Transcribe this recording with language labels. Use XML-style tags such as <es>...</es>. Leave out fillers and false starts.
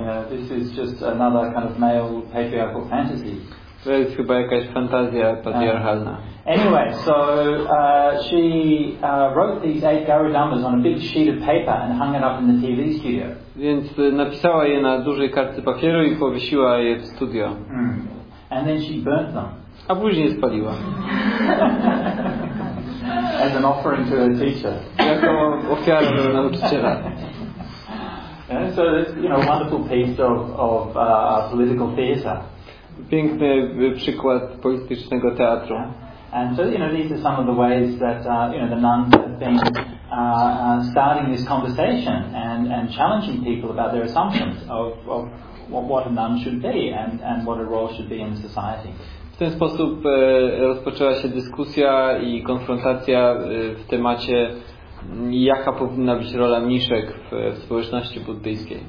<en>This is just another kind of male patriarchal fantasy.</en> <pl>To jest chyba jakaś fantazja patriarchalna.</pl> <en>Anyway, so she wrote these 8 Garudamas on a big sheet of paper and hung it up in the TV studio.</en> <pl>Więc napisała je na dużej kartce papieru i powiesiła je w studio.</pl> <en>Mm. And then she burnt them.</en> <pl>A później je spaliła.</pl> <en>As an offering to her teacher.</en> <pl>Jako ofiarę do nauczyciela.</pl> <en>And so this, you know, wonderful piece of political theater.</en> <pl>Piękny przykład politycznego teatru.</pl> <en>And so, you know, these are some of the ways that you know, the nuns have been starting this conversation and challenging people about their assumptions of what a nun should be and what a role should be in society.</en> <pl>W ten sposób rozpoczęła się dyskusja i konfrontacja w temacie, jaka powinna być rola mniszek w społeczności buddyjskiej.</pl>